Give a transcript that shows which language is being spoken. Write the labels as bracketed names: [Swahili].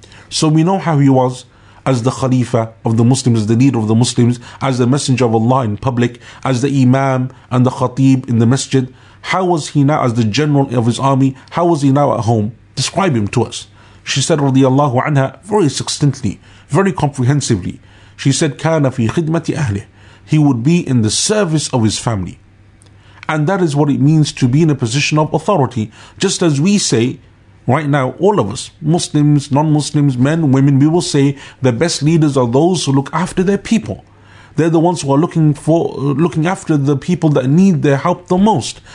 [English] So we know how he was as the Khalifa of the Muslims, as the leader of the Muslims, as the messenger of Allah in public, as the Imam and the Khatib in the masjid. How was he now as the general of his army? How was he now at home? Describe him to us. She said radiallahu anha very succinctly, very comprehensively. She said, [Arabic] كان في خدمة أهله. [English] He would be in the service of his family. And that is what it means to be in a position of authority. Just as we say right now, all of us, Muslims, non-Muslims, men, women, we will say the best leaders are those who look after their people. They're the ones who are looking after the people that need their help the most.